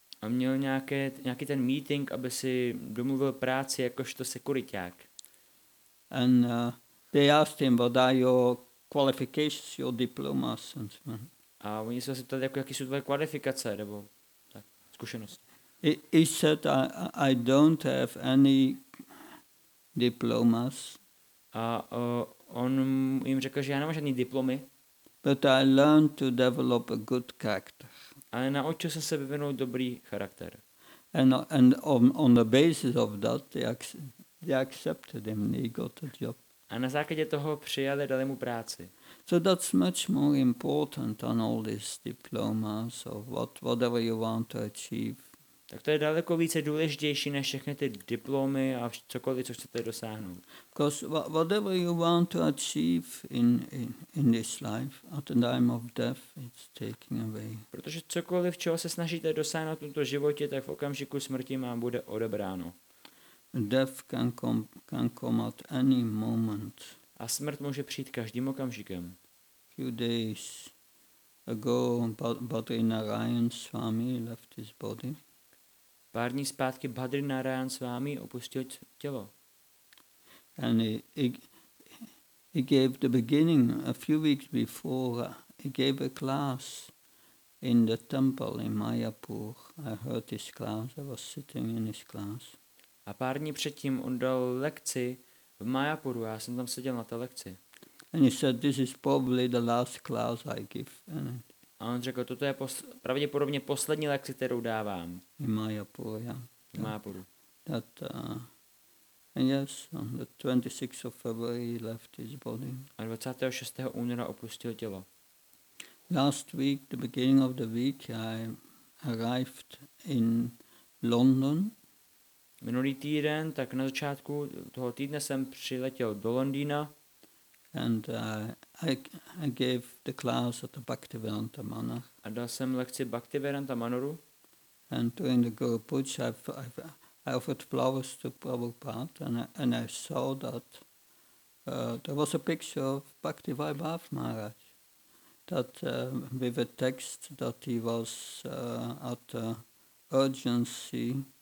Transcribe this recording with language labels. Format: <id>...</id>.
<cs>A měl nějaký ten meeting, aby si domluvil práci jakožto sekuriták.</cs> <en>And they asked him, what are your qualifications, your diplomas?</en> <cs>A oni se ptali, jaký jsou tvoje kvalifikace, nebo tak, zkušenost.</cs> <en>He said, I don't have any diplomas.</en> <cs>A on jim řekl, že já nemám žádný diplomy.</cs> <en>But I learned to develop a good character.</en> <cs>Ale naučil jsem se vyvinout dobrý charakter.</cs> <en>And on the basis of that, they accepted him, he got a job.</en> <cs>A na základě toho přijali, dali mu práci.</cs> <en>So that's much more important than all these diplomas or whatever you want to achieve.</en> <cs>Tak to je daleko více důležitější než všechny ty diplomy a cokoliv, co chcete dosáhnout.</cs> <en>Because whatever you want to achieve in this life, at the time of death, it's taking away.</en> <cs>Protože cokoliv, čeho se snažíte dosáhnout v tomto životě, tak v okamžiku smrti vám bude odebráno.</cs> <en>Death can come at any moment.</en> <cs>A smrt může přijít každým okamžikem.</cs> <en>Few days ago, Badri Narayan Swami left his body.</en> <cs>Pár dní zpátky Badri Narayan Swami opustil tělo.</cs> <en>And he gave the beginning a few weeks before. He gave a class in the temple in Mayapur. I heard his class. I was sitting in his class.</en> <cs>A pár dní předtím on dal lekci v Mayapuru. Já jsem tam seděl na té lekci.</cs> <en>And he said, this is probably the last class I give.</en> <cs>A on řekl, toto je pravděpodobně poslední lekci, kterou dávám.</cs> <en>In Mayapur, yeah.</en> <cs>V Mayapuru.</cs> <en>And yes, on the 26th of February he left his body.</en> <cs>A 26. února opustil tělo.</cs> <en>Last week, the beginning of the week, I arrived in London.</en> <cs>Minulý týden, tak na začátku toho týdne jsem přiletěl do Londýna.</cs> <en>And I gave the class at the Bhaktivedanta Manor.</en> <cs>A dal jsem lekci Bhaktivedanta Manoru.</cs> <en>And during the Guru Puja, I offered flowers to Prabhupada and I saw that there was a picture of Bhaktivaibhava Maharaj that with a text that he was at the urgency.</en>